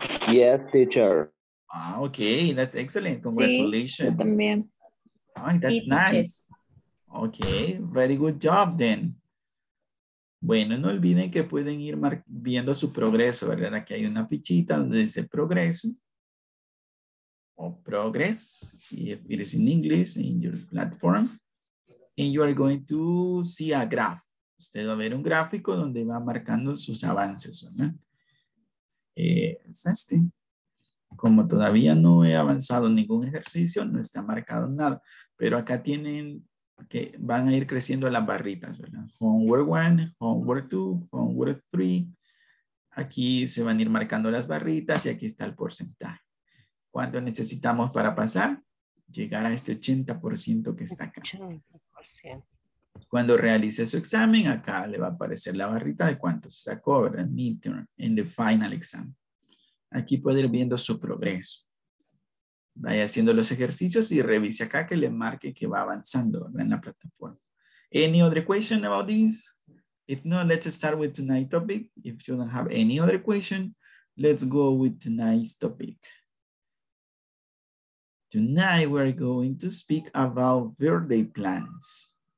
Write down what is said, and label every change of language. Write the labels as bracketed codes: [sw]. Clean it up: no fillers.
[en] Yes, teacher. Ah, ok. That's excellent. Congratulations. [es] Sí, yo también. [en] Ah, that's nice. Okay, very good job then. [es] Bueno, no olviden que pueden ir viendo su progreso, ¿verdad? Aquí hay una fichita donde dice progreso. [en] O progress, if it is in English, in your platform. And you are going to see a graph. [es] Usted va a ver un gráfico donde va marcando sus avances, ¿verdad? Es este. Como todavía no he avanzado ningún ejercicio, no está marcado nada. Pero acá tienen... que van a ir creciendo las barritas, ¿verdad? [en] Homework 1, homework 2, homework 3. [es] Aquí se van a ir marcando las barritas y aquí está el porcentaje. ¿Cuánto necesitamos para pasar? Llegar a este 80% que está acá. 80%. Cuando realice su examen, acá le va a aparecer la barrita de cuánto se sacó, ¿verdad? [en] Midterm, en the final exam. [es] Aquí puede ir viendo su progreso. Vaya haciendo los ejercicios y revise acá que le marque que va avanzando en la plataforma. [en] Any other question about this? If not, let's start with tonight's topic. If you don't have any other question, let's go with tonight's topic. Tonight, we're going to speak about birthday plans.